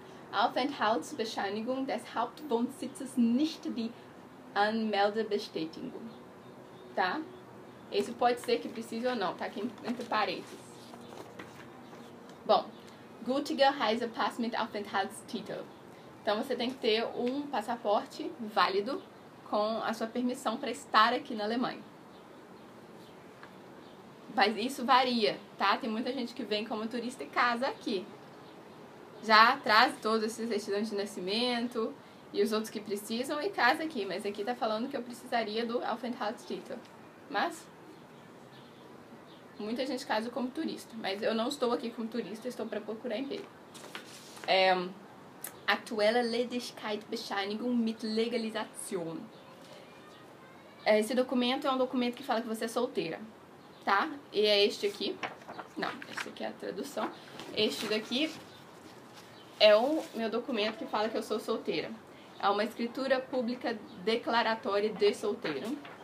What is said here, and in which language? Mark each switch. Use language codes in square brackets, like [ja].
[de] Aufenthaltsbescheinigung des Hauptwohnsitzes nicht die Anmeldebestätigung. [pt] Tá? Isso pode ser que precise ou não, tá aqui entre parênteses. Bom, [de] gültiger Reisepass mit Aufenthaltstitel. [pt] Então você tem que ter um passaporte válido com a sua permissão para estar aqui na Alemanha. Mas isso varia, tá? Tem muita gente que vem como turista e casa aqui. Já traz todos esses certidões de nascimento e os outros que precisam e casa aqui. Mas aqui tá falando que eu precisaria do Aufenthaltstitel. Mas muita gente casa como turista. Mas eu não estou aqui como turista, estou para procurar emprego. [de] Aktuelle Ledigkeitsbescheinigung mit Legalisation. [pt] Esse documento é um documento que fala que você é solteira, tá? E é este aqui. Não, esse aqui é a tradução. Este daqui é o meu documento que fala que eu sou solteira. É uma escritura pública declaratória de solteiro.